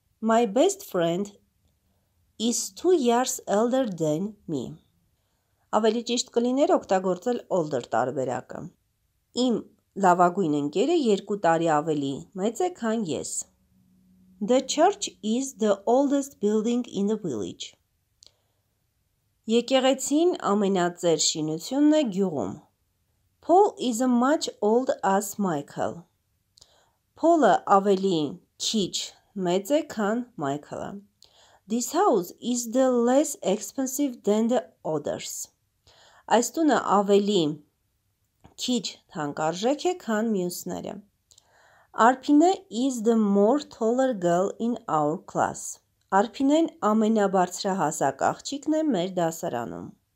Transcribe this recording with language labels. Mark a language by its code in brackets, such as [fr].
[en] My best friend is 2 years older than me. [hy] Ավելի ճիշտ կլիներ օգտագործել older տարբերակը. Իմ լավագույն ընկերը 2 տարի ավելի մեծ է, քան ես. [en] The church is the oldest building in the village. [hy] Եկեղեցին ամենածեր շինությունն է գյուղում. [en] Paul is as much old as Michael. [hy] Paul-ը ավելի քիչ մեծ է, քան Michael-ը. [en] This house is the less expensive than the others. [hy] Այս տունը ավելի քիչ թանկարժեք է, քան մյուսները. [en] Արփինե is the more taller girl in our class. [hy] Արփինեն ամենաբարձրահասակ աղջիկն է մեր դասարանում.